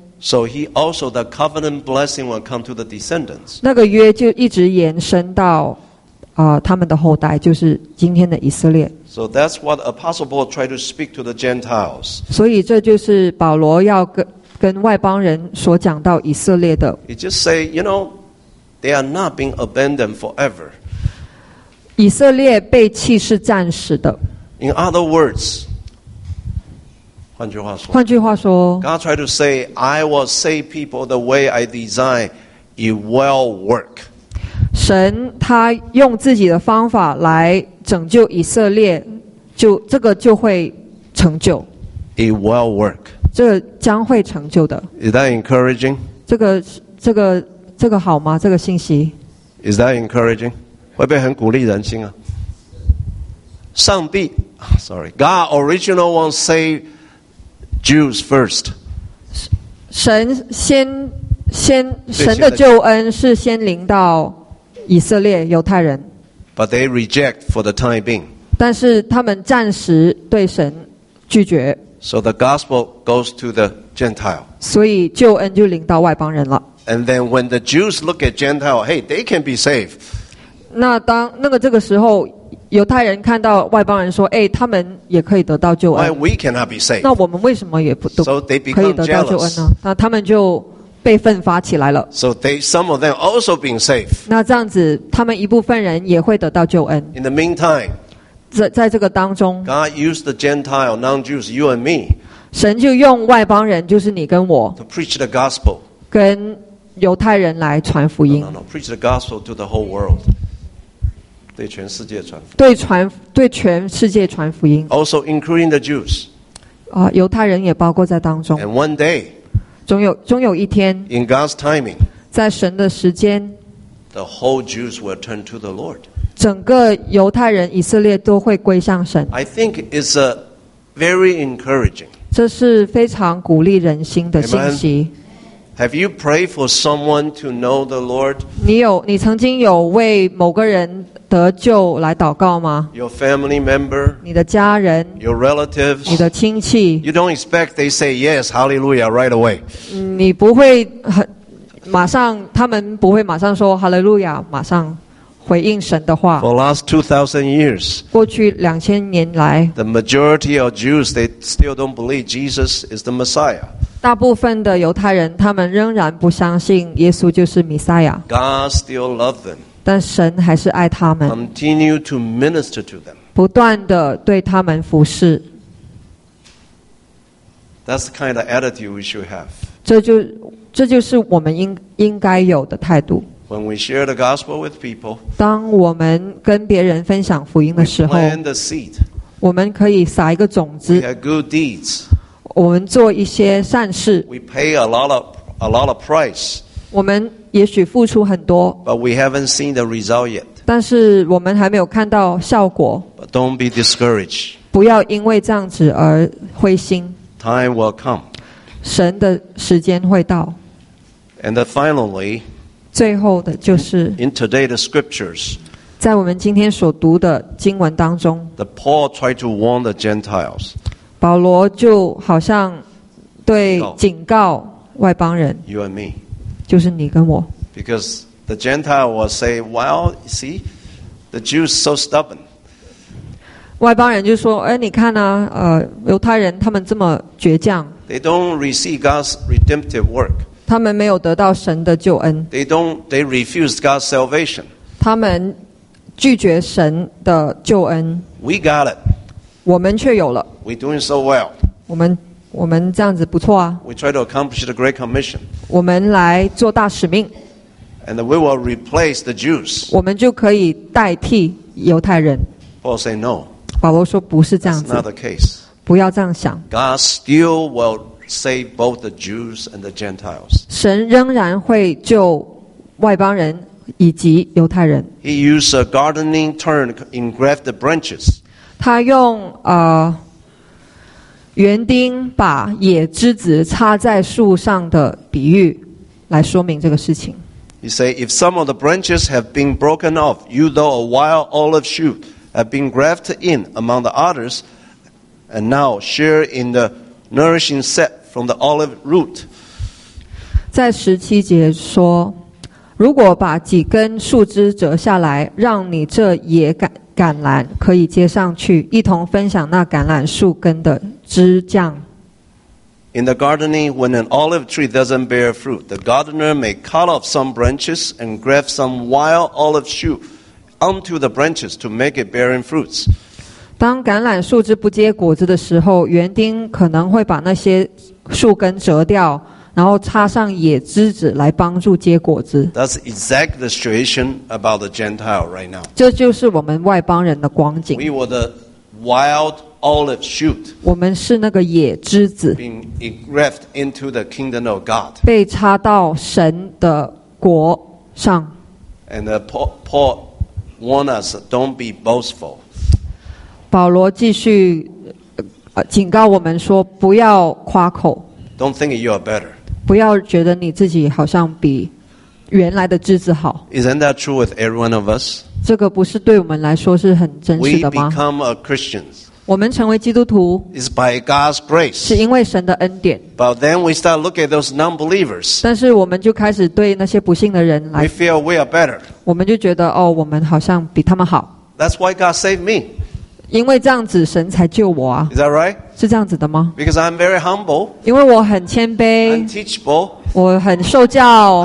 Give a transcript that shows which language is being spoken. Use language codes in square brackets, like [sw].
[en] So he also the covenant blessing will come to the descendants. [zh] 那个约就一直延伸到、他们的后代，就是今天的以色列。 [en] So that's what Apostle Paul tried to speak to the Gentiles. [zh] 所以这就是保罗要跟外邦人所讲到以色列的。 [en] He just say, you know, they are not being abandoned forever. [zh] 以色列被弃是暂时的。 [en] In other words, [zh] 换句话说 [en] God tried to say, I will save people the way I design, it will work. [zh] 神他用自己的方法来拯救以色列，就这个就会成就。 [en] It will work. [zh] 这个、将会成就的。 [en] Is that encouraging? [zh] 这个好吗？这个信息。 [en] Is that encouraging? [zh] 会不会很鼓励人心啊？上帝 [en] ，sorry, God original one save Jews first. [zh] 神先神的救恩是先临到以色列犹太人。 [en] But they reject for the time being. [zh] 但是他们暂时对神拒绝。 [en] So the gospel goes to the Gentile. [zh] 所以救恩就领到外邦人了。 [en] And then when the Jews look at Gentile, hey, they can be saved. [zh] 那个这个时候，犹太人看到外邦人说，哎，他们也可以得到救恩。 [en] Why we cannot be saved? [zh] 那我们为什么也不都、 so、可以得到救恩呢？那他们就被奋发起来了。 [en] So they, some of them also being saved. [zh] 那这样子，他们一部分人也会得到救恩。 [en] In the meantime, [zh] 在这个当中 [en] ，God used the Gentile, non-Jews, you and me. [zh] 神就用外邦人，就是你跟我 [en] ，to preach the gospel. [zh] 跟犹太人来传福音。 [en] No, preach the gospel to the whole world. [zh] 对全世界传福音。对全世界传福音。 [en] Also including the Jews. [zh] 啊，犹太人也包括在当中。 [en] And one day. [zh] 终有一天 [en] In God's timing, [zh] 在神的时间 [en] the whole Jews will turn to the Lord. [zh] 整个犹太人以色列都会归向神 [en] I think it's a very encouraging [zh] 这是非常鼓励人心的信息 [en] Have you prayed for someone to know the Lord? [zh] 你曾经有为某个人得救来祷告吗 [en] Your family member [zh] 你的家人 [en] Your relatives [zh] 你的亲戚 [en] You don't expect they say yes, hallelujah, right away [zh] 你不会马上他们不会马上说 hallelujah, 马上回应神的话 [en] For the last 2,000 years [zh] 过去2000年来 [en] The majority of Jews, they still don't believe Jesus is the Messiah [zh] 大部分的犹太人他们仍然不相信耶稣就是弥赛亚 [en] God still loves them [zh] 但神还是爱他们 [en] Continue to minister to them. [zh] 不断地对他们服侍 [en] That's the kind of attitude we should have. [zh] 这就是我们应该有的态度 [en] When we share the gospel with people, [zh] 当我们跟别人分享福音的时候 [en] we plant the seed. [zh] 我们可以撒一个种子 [en] We have good deeds. [zh] 我们做一些善事 [en] We pay a lot of price. [zh] 我们也许付出很多 [en] But we haven't seen the result yet. [zh] 但是我们还没有看到效果 [en] But don't be discouraged. [zh] 不要因为这样子而灰心 [en] Time will come. [zh] 神的时间会到 [en] And then finally, [zh] 最后的就是 [en] in today the scriptures, [zh] 在我们今天所读的经文当中 [en] the Paul tried to warn the Gentiles. [zh] 保罗就好像对警告外邦人 [en] You and me. [zh] 就是你跟我 [en] Because the Gentile will say, well, see, the Jews are so stubborn. [zh] 外邦人就说，哎，你看啊，犹太人他们这么倔强。 [en] They don't receive God's redemptive work. [zh] 他们没有得到神的救恩。 [en] They refuse God's salvation. [zh] 他们拒绝神的救恩。 [en] We got it. [zh] 我们却有了。 [en] We're doing so well. [zh] 我们这样子不错啊。 [en] We try to accomplish the Great Commission. [zh] 我们来做大使命。 [en] And we will replace the Jews. [zh] 我们就可以代替犹太人。 [en] Paul say no. [zh] 保罗说不是这样子。 [en] That's not the case. [zh] 不要这样想。 [en] God still will save both the Jews and the Gentiles. [zh] 神仍然会救外邦人以及犹太人。 [en] He used a gardening term, engraft the branches. [zh] 他用园丁把野枝子插在树上的比喻来说明这个事情。 [en] He say, if some of the branches have been broken off, you though a wild olive shoot have been grafted in among the others, and now share in the nourishing sap from the olive root. [zh] 在十七节说，如果把几根树枝折下来，让你这野橄榄可以接上去，一同分享那橄榄树根的枝酱。 [en] In the gardening, when an olive tree doesn't bear fruit, the gardener may cut off some branches and graft some wild olive shoot onto the branches to make it bearing fruits. [zh] 当橄榄树枝不结果子的时候，园丁可能会把那些树根折掉，然后插上野枝子来帮助结果子。 [en] That's exactly the situation about the Gentile right now. [zh] 这就是我们外邦人的光景。 [en] We were the wild olive shoot. [zh] 我们是那个野枝子。 [en] Being engrafted into the kingdom of God. [zh] 被插到神的国上。 [en] And Paul warned us, don't be boastful. [zh] 保罗继续警告我们说，不要夸口。 [en] Don't think you are better. [zh] 不要觉得你自己好像比原来的枝子好。 [en] Isn't that true with every one of us? [zh] 这个不是对我们来说是很真实的吗？ [en] We become a Christian. [zh] 我们成为基督徒 [en] is by God's grace. [zh] 是因为神的恩典。 [en] But then we start look at those non-believers. [zh] 但是我们就开始对那些不信的人来。 [en] We feel we are better. [zh] 我们就觉得哦，我们好像比他们好。 [en] That's why God saved me. [zh] 因为这样子神才救我啊。 [en] Is that right? [zh] 是这样子的吗？ [en] Because I'm very humble. [zh] 因为我很谦卑。 [en] I'm teachable. [zh] 我很受教。